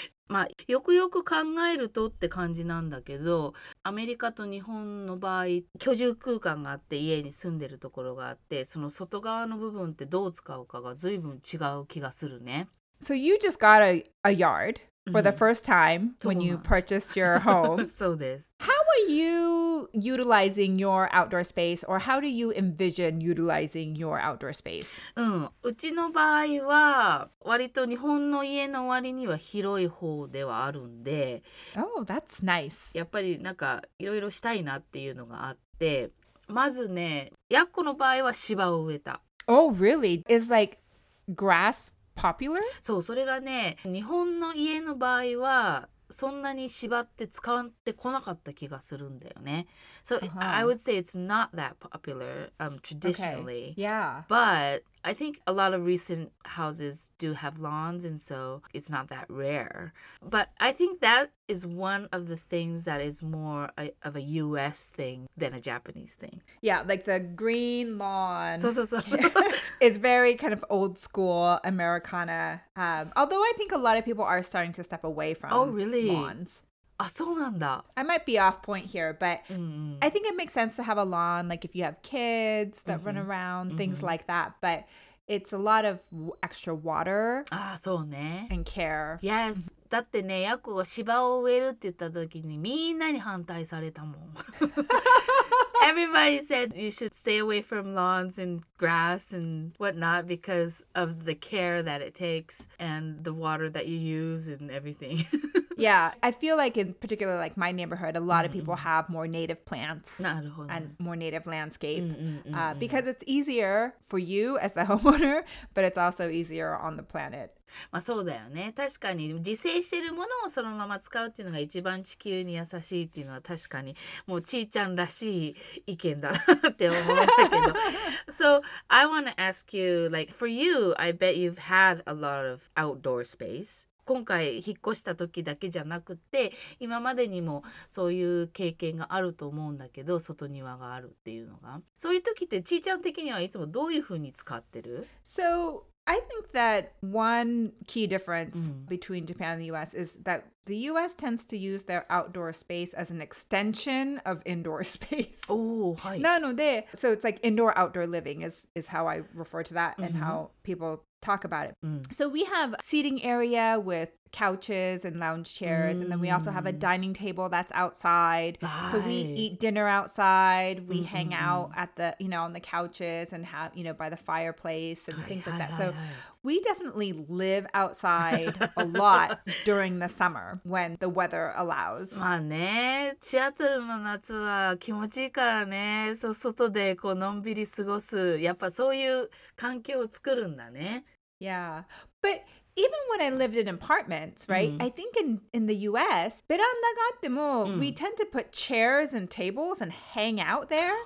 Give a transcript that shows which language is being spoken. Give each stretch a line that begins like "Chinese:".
Japanese: まあ、よくよく考えるとって感じなんだけど、アメリカと日本の場合、居住空間があって家に住んでるところがあって、その外側の部分ってどう使うかが随分違う気がするね。
English: So you just got a yard for the first time when you purchased your home.
Japanese: そうです。
English: How are you utilizing your outdoor space, or how do you envision utilizing your outdoor space?
Japanese: うちの場合は割と日本の家の割には広い方ではあるんで。
English: Oh, that's nice.
Japanese: やっぱりなんかいろいろしたいなっていうのがあって、まずね、やっこの場合は芝を植えた。
English: Oh, really? Is like grass popular?
Japanese: そう、それがね、日本の家の場合はそんなに芝って使ってこなかった気がするんだよね。
English: So、I would say it's not that popular, traditionally. Okay. Yeah. But I think a lot of recent houses do have lawns, and so it's not that rare. But I think that is one of the things that is more of a US thing than a Japanese thing. Yeah, like the green lawn.
Japanese: So, so, so.
English: is very kind of old school Americana. Although I think a lot of people are starting to step away from lawns. Oh, really? Lawns.
Japanese: Ah, so なんだ.
English: I might be off point here, but I think it makes sense to have a lawn, like if you have kids that run around, things like that. But it's a lot of extra water.
Japanese: Ah, so ね.
English: And care. Yes.
Japanese: だってね、ヤコが芝を植えるって言った時にみんなに反対されたもん。
English: Everybody said you should stay away from lawns and grass and whatnot because of the care that it takes and the water that you use and everything. Yeah, I feel like in particular like my neighborhood, a lot of people have more native plants and more native landscape because it's easier for you as the homeowner, but it's also easier on the planet.
Japanese: まあそうだよね。確かに自生してるものをそのまま使うっていうのが一番地球に優しいっていうのは確かにもうちーちゃんらしい意見だって思ったけど。
English: So I want to ask you, like for you, I bet you've had a lot of outdoor space.
Japanese: 今回引っ越した時だけじゃなくて、今までにもそういう経験があると思うんだけど、外庭があるっていうのが。そういう時ってちーちゃん的にはいつもどういうふうに使ってる?
English: So, I think that one key difference between Japan and the US is that the US tends to use their outdoor space as an extension of indoor space.
Japanese: Oh, はい。なので、
English: So it's like indoor-outdoor living is how I refer to that and how people... talk about it. So we have a seating area with couches and lounge chairs, and then we also have a dining table that's outside. So we eat dinner outside, we hang out at the, you know, on the couches and have, you know, by the fireplace and things like that. So we definitely live outside a lot during the summer when the weather allows.
Japanese: まあね、シアトルの夏は気持ちいいからね。そう、外でこうのんびり過ごす。やっぱそういう環境を作るんだね。
English: Yeah, but even when I lived in apartments, right? I think in the US,
Japanese: ベランダがあっても
English: we tend to put chairs and tables and hang out there.